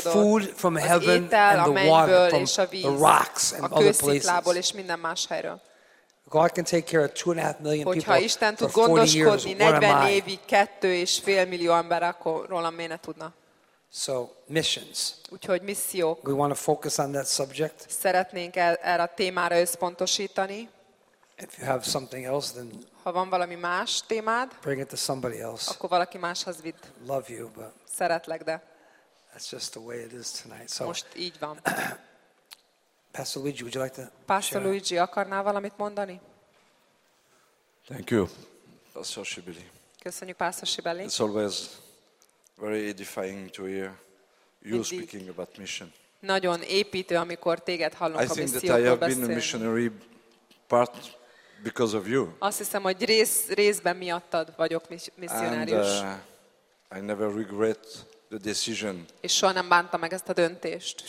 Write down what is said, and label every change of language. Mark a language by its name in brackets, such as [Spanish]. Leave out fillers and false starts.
[English] The food from heaven and the water from the rocks and other places. [Hungarian] A kősziklából és minden más helyről. [English] God can take care of 2.5 million people. [Hungarian] Hogyha Isten tud gondoskodni 40 évig 2,5 millió ember, akkor rólam miért ne tudna? [English] So missions. [Hungarian] Úgyhogy missziók. [English] We want to focus on that subject. [Hungarian] Szeretnénk erre a témára összpontosítani. [English] If you have something else, then [Hungarian] ha van valami más témád, [English] bring it to somebody else. [Hungarian] Akkor valaki máshoz vidd. [English] Love you, but [Hungarian] szeretlek, de [English] that's just the way it is tonight. So [Hungarian] most így van. [English] Pastor Luigi, would you like to [Hungarian] Pastor Luigi, akarnál valamit mondani? [English] Thank you, Pastor Sibeli. [Hungarian] Köszönjük, Pastor Sibeli. [English] It's always very edifying to hear you speaking about mission. [Hungarian] Nagyon építő, amikor téged hallunk a misszióról beszélni. [English] I think that I have been a missionary part because of you. [Hungarian] Azt hiszem, hogy részben miattad vagyok misszionárius. [English] And I never regret the decision. [Hungarian] És soha nem bántam meg ezt a döntést.